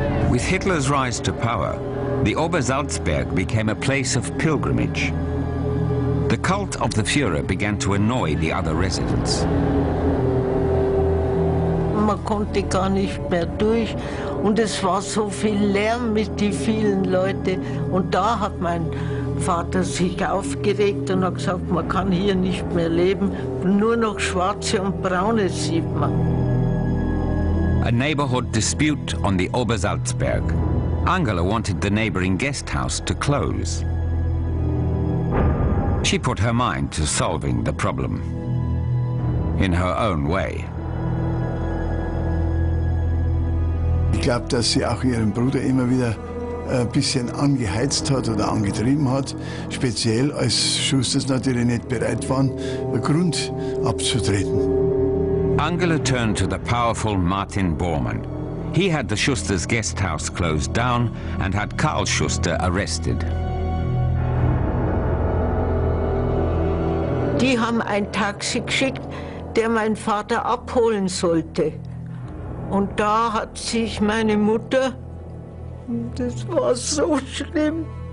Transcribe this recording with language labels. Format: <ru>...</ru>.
<en>With Hitler's rise to power, the Obersalzberg became a place of pilgrimage. The cult of the Führer began to annoy the other residents.</en> <de>Man konnte gar nicht mehr durch und es war so viel Lärm mit die vielen Leute und da hat mein Vater sich aufgeregt und hat gesagt, man kann hier nicht mehr leben, nur noch Schwarze und Braune sieht man.</de> <en>A neighborhood dispute on the Obersalzberg. Angela wanted the neighboring guest house to close. She put her mind to solving the problem in her own way.</en> <de>Ich glaube, dass sie auch ihren Bruder immer wieder ein bisschen angeheizt hat oder angetrieben hat, speziell als Schusters natürlich nicht bereit waren, Grund abzutreten.</de> <en>Angela turned to the powerful Martin Bormann. He had the Schusters' guest house closed down and had Karl Schuster arrested.</en> <de>Die haben ein Taxi geschickt, der mein Vater abholen sollte. Und da hat sich meine Mutter, das war so schlimm.</de>